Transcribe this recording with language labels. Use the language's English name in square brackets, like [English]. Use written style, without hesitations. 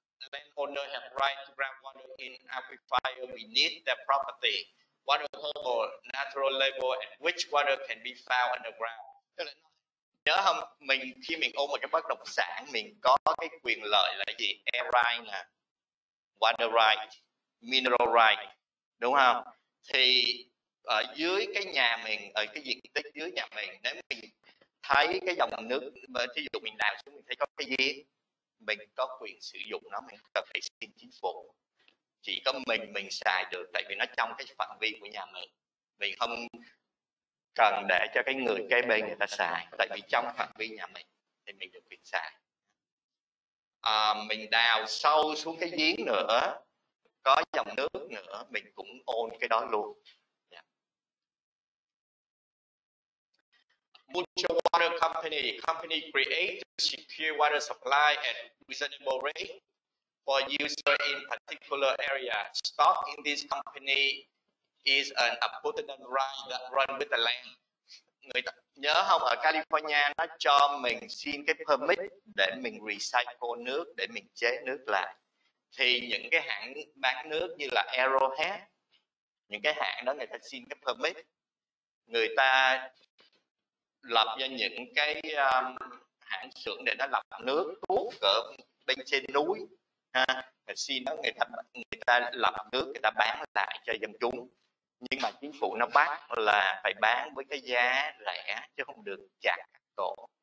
[English] landowner have right to groundwater in aquifer beneath their property, water table, natural level and which water can be found underground. [Vietnamese] Nhớ không, mình khi mình ôm một cái bất động sản mình có cái quyền lợi là gì? Air right nè, water right, mineral right, đúng không? Thì ở dưới cái nhà mình, ở cái diện tích dưới nhà mình, nếu mình thấy cái dòng nước, ví dụ mình đào xuống mình thấy có cái gì, mình có quyền sử dụng nó, mình cần phải xin chính phủ. Chỉ có mình xài được, tại vì nó trong cái phạm vi của nhà mình, mình không cần để cho cái người kế bên người ta xài, tại vì trong phạm vi nhà mình thì mình được quyền xài. À, mình đào sâu xuống cái giếng nữa, có dòng nước nữa, mình cũng ôn cái đó luôn. [English] Mutual water company. Company create to secure water supply at reasonable rate for user in particular area. Stock in this company is an abundant right that run with the land. [Vietnamese] Người ta, nhớ không, ở California nó cho mình xin cái permit để mình recycle nước, để mình chế nước lại. Thì những cái hãng bán nước như là Arrowhead, những cái hãng đó người ta xin cái permit, người ta lập ra những cái hãng xưởng để nó lọc nước tuốt ở bên trên núi ha, và xin đó người ta lọc nước người ta bán lại cho dân chúng, nhưng mà chính phủ nó bắt là phải bán với cái giá rẻ chứ không được trả cổ.